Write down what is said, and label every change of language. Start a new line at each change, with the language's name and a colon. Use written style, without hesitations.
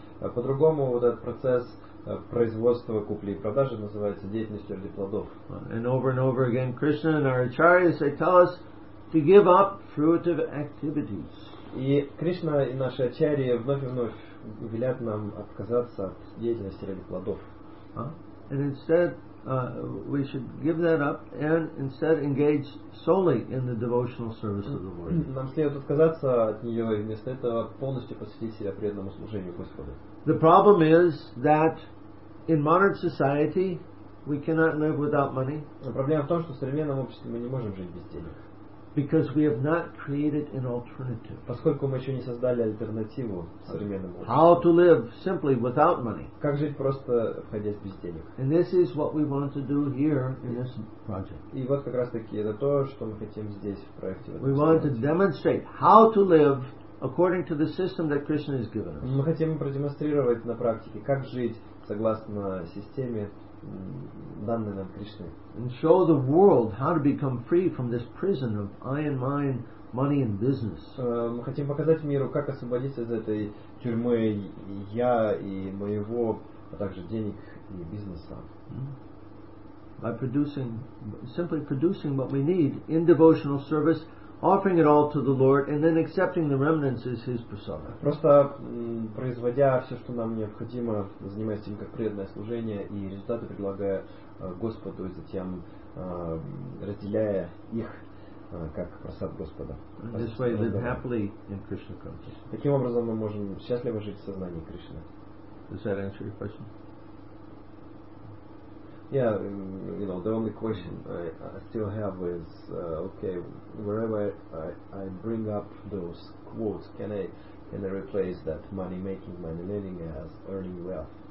Russian: По-другому вот этот процесс производства, купли и продажи называется деятельностью ради плодов.
English: And over and over again, Krishna and our acharyas, they tell us to give up fruitive activities.
Russian: И Кришна и наши ачарьи вновь и вновь велят нам отказаться от деятельности ради плодов.
English: And instead, we should give that up and instead engage solely in the devotional service of the Lord.
Russian: Нам следует отказаться от нее и вместо этого полностью посвятить себя преданному служению Господу.
English: The problem is that in modern society we cannot live without money.
Russian: Проблема в том, что в современном обществе мы не можем жить без денег.
English: Because we have not created an alternative.
Russian: Поскольку мы еще не создали альтернативу современному.
English: How to live simply without money?
Russian: Как жить просто обходясь без денег?
English: And this is what we want to do here in this project.
Russian: И вот как раз таки это то, что мы хотим здесь в проекте.
English: We want to demonstrate how to live according to the system that Krishna has given us.
Russian: Мы хотим продемонстрировать на практике, как жить согласно системе.
English: And show the world how to become free from this prison of iron mind, money and business.
Russian: Мы хотим показать миру, как освободиться из этой тюрьмы я и моего, а также денег и бизнеса.
English: By producing, simply producing what we need in devotional service, offering it all to the Lord, and then accepting the remnants as His prasada.
Russian: Просто производя все, что нам необходимо, занимаясь этим как преданное служение, и результаты предлагая Господу, и затем разделяя их как прасад Господа.
English: This way, live happily in Krishna consciousness.
Russian: Таким образом, мы можем счастливо жить в сознании Кришны.
English: Does that answer your question? Yeah, you know, the only question I still have is, okay, wherever I bring up those quotes, can I replace that money making, money lending as earning wealth?